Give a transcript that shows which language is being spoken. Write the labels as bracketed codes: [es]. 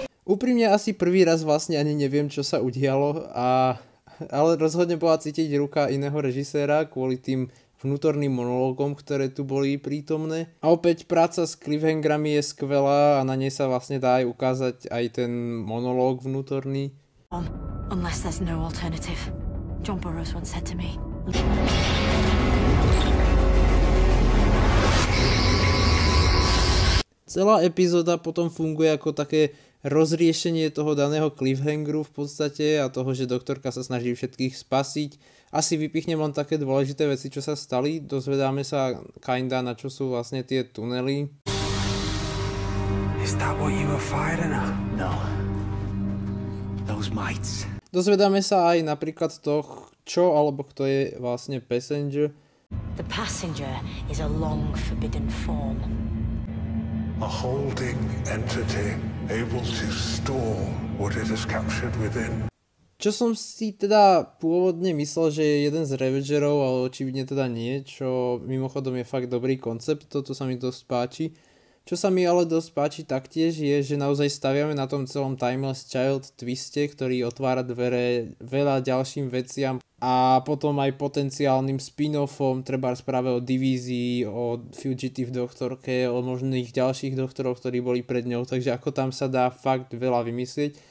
[sk] Úprimne asi prvý raz vlastne ani neviem, čo sa udialo, ale rozhodne bola cítiť ruka iného režiséra kvôli tým vnútorným monológom, ktoré tu boli prítomné. A opäť práca s cliffhangrami je skvelá a na nej sa vlastne dá aj ukázať aj ten monológ vnútorný. [en] Unless there's no alternative. John Burroughs once said to me. [sk] Celá epizóda potom funguje ako také rozriešenie toho daného cliffhangeru v podstate a toho, že doktorka sa snaží všetkých spasiť. Asi vypichnem len také dôležité veci, čo sa stali. Dozvedáme sa kinda, na čo sú vlastne tie tunely. [en] Is that what you were firing at? No. Those mites. [sk] Dozvedáme sa aj napríklad to, čo alebo kto je vlastne passenger. [en] The passenger is a long forbidden form. A holding entity able to store what it has captured within. [sk] Čo som si teda pôvodne myslel, že je jeden z Ravagerov, ale očividne teda nie, čo mimochodom je fakt dobrý koncept, toto sa mi dosť páči. Čo sa mi ale dosť páči taktiež je, že naozaj staviame na tom celom Timeless Child twiste, ktorý otvára dvere veľa ďalším veciam a potom aj potenciálnym spin-offom, treba práve o Divízii, o Fugitive doktorke, o možných ďalších doktorov, ktorí boli pred ňou, takže ako tam sa dá fakt veľa vymyslieť.